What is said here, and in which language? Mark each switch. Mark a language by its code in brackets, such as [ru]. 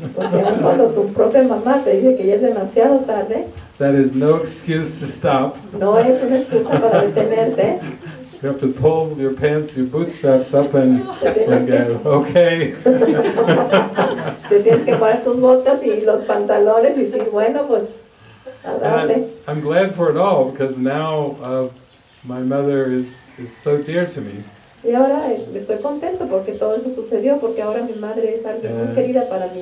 [es] Porque aun cuando tu propia mamá te dice que ya es demasiado tarde. [en] That is no excuse to stop. [es] No es una excusa para detenerte. [en] You have to pull your pants, your bootstraps up and go, okay. [es] Te tienes que poner tus botas y los pantalones y sí, bueno, pues, adelante. [en] I'm glad for it all because now my mother is so dear to me. [es] Y ahora estoy contento porque todo eso sucedió porque ahora mi madre es alguien muy querida para mí.